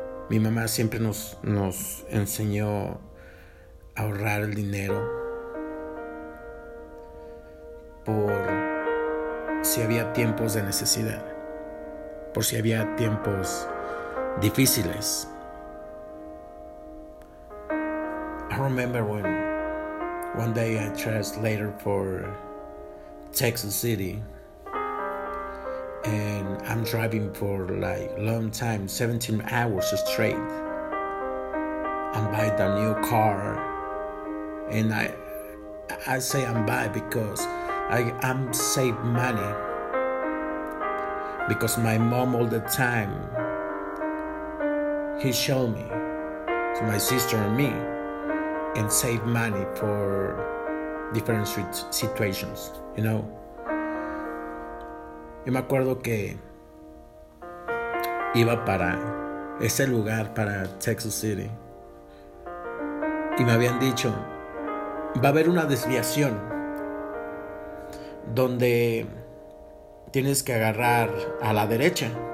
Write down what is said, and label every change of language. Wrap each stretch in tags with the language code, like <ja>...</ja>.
<es>Mi mamá siempre nos enseñó a ahorrar el dinero por si había tiempos de necesidad, por si había tiempos difíciles.</es> <en>I remember when one day I translated for Texas City. And I'm driving for like long time, 17 hours straight. I'm buying the new car. And I say I'm buying because I'm save money. Because my mom all the time, he showed me to my sister and me and save money for different situations, you know.</en> <es>Yo me acuerdo que iba para ese lugar, para Texas City. Y me habían dicho, va a haber una desviación donde tienes que agarrar a la derecha.</es>